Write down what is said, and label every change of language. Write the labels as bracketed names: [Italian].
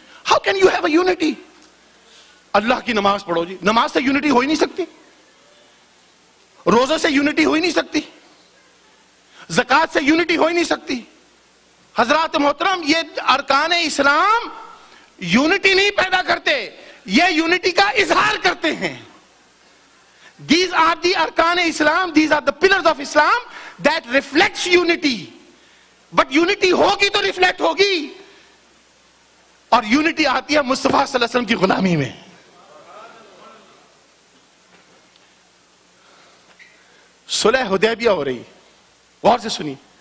[English] How can you have a unity? [Urdu] اللہ کی نماز پڑھو جی، نماز سے یونٹی ہو ہی نہیں سکتی، روزے سے یونٹی ہو ہی نہیں سکتی، زکات سے یونٹی ہو ہی نہیں سکتی. حضرات محترم، یہ ارکان اسلام یونٹی نہیں پیدا کرتے، یہ یونٹی کا اظہار کرتے ہیں. [English] These are the ارکان اسلام، these are the pillars of Islam that reflects unity. [Urdu] But unity ہوگی تو ریفلیکٹ ہوگی، اور یونٹی آتی ہے مصطفیٰ صلی اللہ علیہ وسلم کی غلامی میں. صلح حدیبیہ ہو رہی، غور سے سنی.